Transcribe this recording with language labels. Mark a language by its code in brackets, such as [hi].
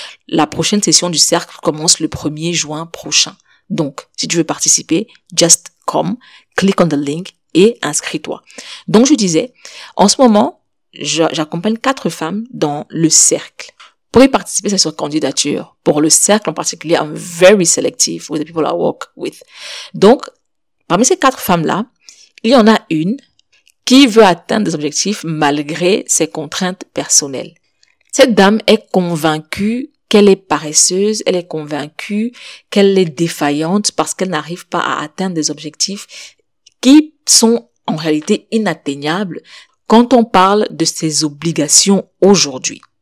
[fr] La prochaine session du cercle commence le 1er juin prochain. Donc, si tu veux participer, [en] just come, click on the link [fr] et inscris-toi. Donc, je disais, en ce moment, j'accompagne 4 femmes dans le cercle. Pour y participer, c'est sur candidature. Pour le cercle en particulier, [en] I'm very selective with the people I work with. [fr] Donc, parmi ces quatre femmes-là, il y en a une qui veut atteindre des objectifs malgré ses contraintes personnelles. Cette dame est convaincue qu'elle est paresseuse, elle est convaincue qu'elle est défaillante parce qu'elle n'arrive pas à atteindre des objectifs qui sont en réalité inatteignables quand on parle de ses obligations aujourd'hui.